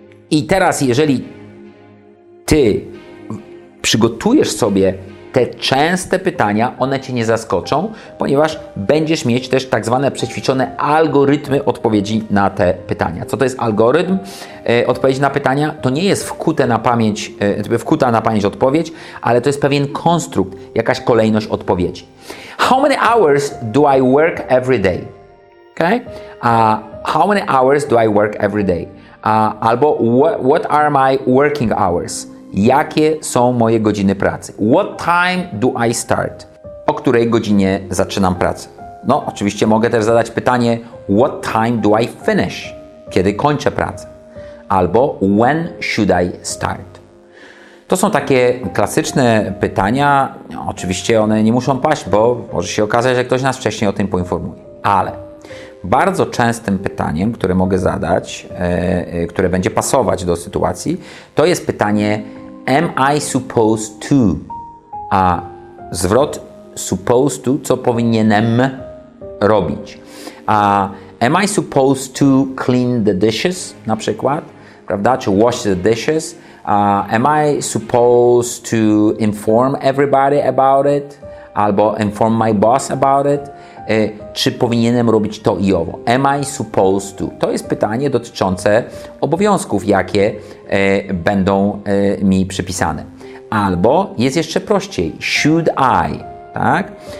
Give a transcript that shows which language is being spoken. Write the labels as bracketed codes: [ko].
[pl] I teraz, jeżeli ty przygotujesz sobie te częste pytania, one cię nie zaskoczą, ponieważ będziesz mieć też tak zwane przećwiczone algorytmy odpowiedzi na te pytania. Co to jest algorytm odpowiedzi na pytania? To nie jest wkuta na pamięć odpowiedź, ale to jest pewien konstrukt, jakaś kolejność odpowiedzi. [en] How many hours do I work every day? Okay? How many hours do I work every day? Albo what are my working hours? [pl] jakie są moje godziny pracy. [en] What time do I start? [pl] O której godzinie zaczynam pracę? No, oczywiście mogę też zadać pytanie, [en] what time do I finish? [pl] Kiedy kończę pracę? Albo when should I start? To są takie klasyczne pytania. Oczywiście one nie muszą paść, bo może się okazać, że ktoś nas wcześniej o tym poinformuje. Ale bardzo częstym pytaniem, które mogę zadać, które będzie pasować do sytuacji, to jest pytanie [en] am I supposed to? [pl] A zwrot supposed to, co powinienem robić? [en] A am I supposed to clean the dishes? [pl] Na przykład, prawda? Czy [en] wash the dishes? Am I supposed to inform everybody about it? Albo inform my boss about it? [pl] Czy powinienem robić to i owo? [en] Am I supposed to? [pl] To jest pytanie dotyczące obowiązków, jakie będą mi przypisane. Albo jest jeszcze prościej. [en] Should I? [pl] Tak?